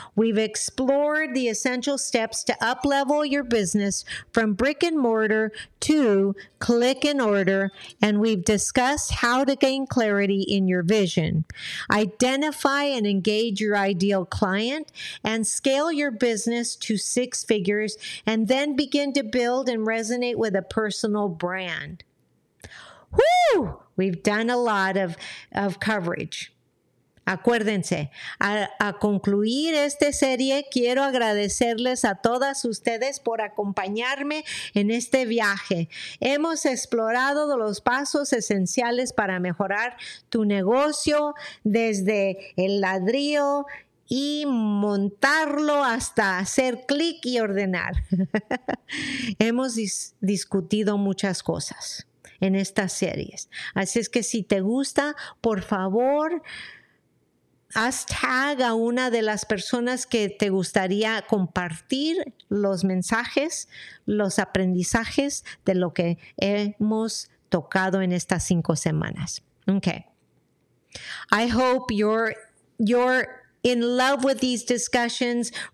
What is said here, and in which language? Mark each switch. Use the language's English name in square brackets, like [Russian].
[English] We've explored the essential steps to up-level your business from brick and mortar to click and order, and we've discussed how to gain clarity in your vision, identify and engage your ideal client, and scale your business to 6 figures, and then begin to build and resonate with a personal brand. Woo! We've done a lot of coverage. [Spanish] Acuérdense, a concluir esta serie, quiero agradecerles a todas ustedes por acompañarme en este viaje. Hemos explorado los pasos esenciales para mejorar tu negocio desde el ladrillo y montarlo hasta hacer clic y ordenar. Hemos discutido muchas cosas en estas series. Así es que si te gusta, por favor, haz tag a una de las personas que te gustaría compartir los mensajes, los aprendizajes de lo que hemos tocado en estas 5 semanas. [English] Okay. I hope you're in love with these discussions.